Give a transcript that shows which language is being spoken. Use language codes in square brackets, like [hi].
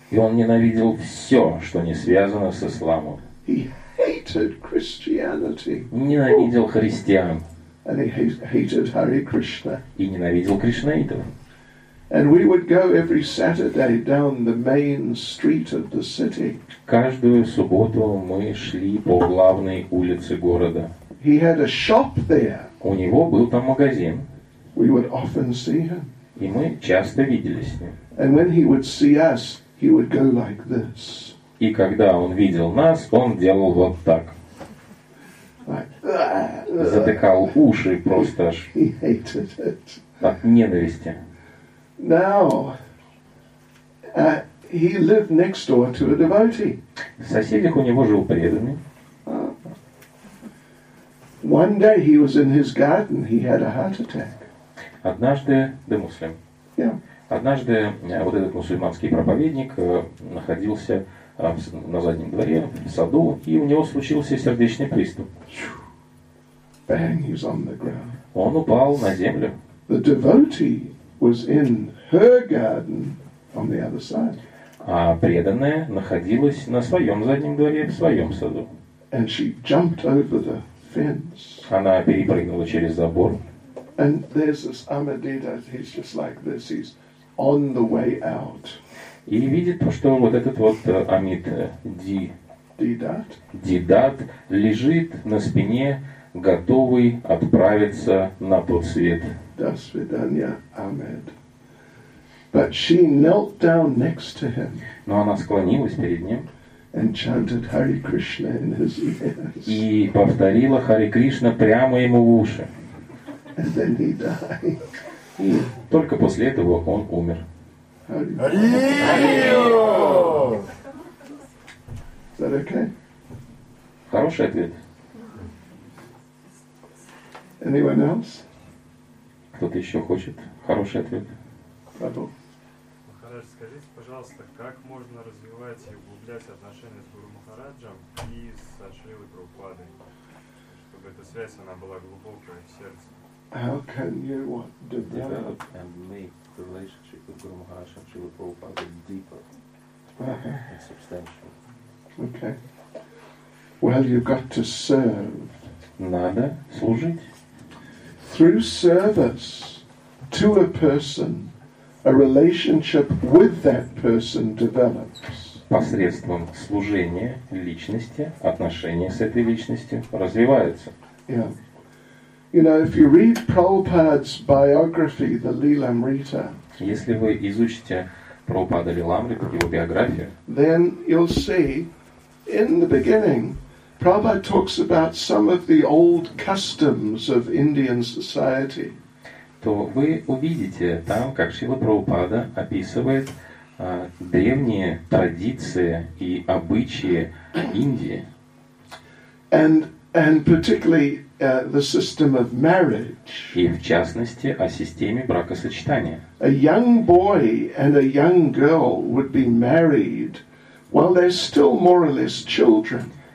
[ru] И он ненавидел все, что не связано с исламом. [en] He hated Christianity. [ru] Ненавидел христиан. [en] And he hated Hare Krishna. [ru] И ненавидел кришнаитов. [en] And we would go every Saturday down the main street of the city. [ru] Каждую субботу мы шли по главной улице города. [en] He had a shop there. [ru] У него был там магазин. [en] We would often see him. [ru] И мы часто виделись с ним. [en] And when he would see us, he would go like this. [ru] И когда он видел нас, он делал вот так. Затыкал уши просто аж. [en] He hated it. [ru] От ненависти. [en] Now, he lived next door to a devotee. [ru] В соседях у него жил преданный. [en] One day he was in his garden, he had a heart attack. [ru] Однажды, [en] the Muslim. Yeah. [ru] Однажды вот этот мусульманский проповедник находился на заднем дворе, в саду, и у него случился сердечный приступ. [en] Bang, he's on the ground. [ru] Он упал на землю. [en] The devotee was in her garden on the other side. [ru] А преданная находилась на своем заднем дворе, в своем саду. [en] And she jumped over the fence. [ru] Она перепрыгнула через забор. [en] And there's this Amadeed, he's just like this, he's on the way out. [ru] И видит то, что вот этот вот Амид Дидат лежит на спине, готовый отправиться на тот свет. До свидания, [en] Ahmed. But she knelt down next to him. [ru] Но она склонилась перед ним. [en] and chanted Hare Krishna in his ears. [ru] И повторила Харе Кришна прямо ему в уши. [en] And then he died. [ru] И только после этого он умер. [en] Is that okay? [ru] Хороший ответ. [en] Anyone else? [ru] Кто-то еще хочет? Хороший ответ. Махарадж, скажите, пожалуйста, как можно развивать и углублять отношения с Гуру Махараджем и со Шрилой Прабхупадой, чтобы эта связь она была глубокой в сердце? [en] How can you develop and make the relationship with Guru Maharaj and Srila Prabhupada deeper and substantial? Okay. Well, you've got to serve. [ru] Надо служить. [en] Through service to a person, a relationship with that person develops. [ru] Посредством служения личности, отношения с этой личностью развиваются. [en] Yeah. You know, if you read Prabhupada's biography, the Lilamrita, [ru] если вы изучите Прабхупада Лиламриту, его биографию, [en] then you'll see in the beginning Prabhupada talks about some of the old customs of Indian society. [ru] То вы увидите там, как Шрила Прабхупада описывает древние традиции и обычаи Индии. [en] And particularly the system of marriage. [ru] И в частности о системе бракосочетания. [en] A young boy and a young girl would be married while they're still more or less children.